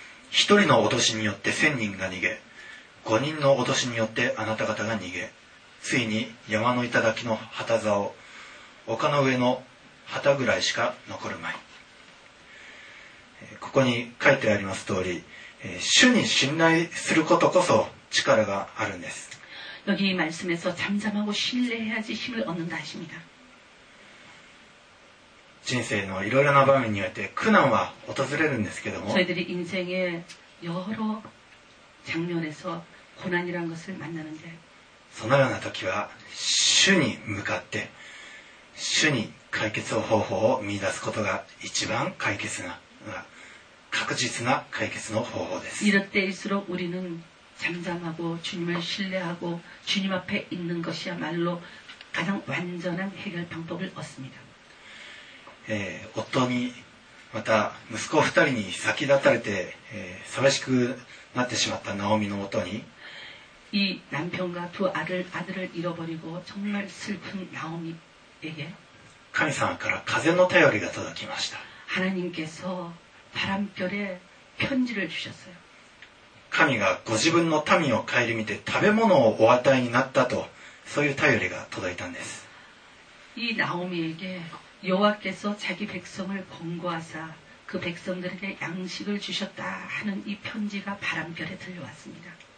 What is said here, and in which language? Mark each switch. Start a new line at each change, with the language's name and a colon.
Japanese: 一人の脅しによって千人が逃げ五人の脅しによってあなた方が逃げついに山の頂の旗竿丘の上の旗ぐらいしか残るまいここに書いてあります通り主に信頼することこそ力があるんです
Korean: 여기이말씀에서잠잠하고신뢰해야지힘을얻는다하십니다 인생의여러방면에의해
Japanese: 苦難は訪れるんですけども
Korean: 저희들이인생의여러장면에서고난이란것을만나는데
Japanese: そのような時は主に向かって主に解決方法を見出すことが一番解決な確実な解決の方法です
Korean: 이럴때일수록우리는잠잠하고주님을신뢰하고주님앞에있는것이야말로가장완전한해결방법을얻습니다
Japanese: 夫にまた息子二人に先立たれて寂しくなってしまったナオミの夫に
Korean: 이남편과두아들아들을잃어버리고정말슬픈나오미에게
Japanese: 하나님様から風の便りが届きました
Korean: 하나님께서바람결에편지를주셨어요
Japanese: 神がご自分の民を顧みて食べ物をお与えになったとそういう便りが届いたんです。
Korean: 이나오미에게여호와께서자기백성을권고하사그백성들에게양식을주셨다하는이편지가바람결에들려왔습니다。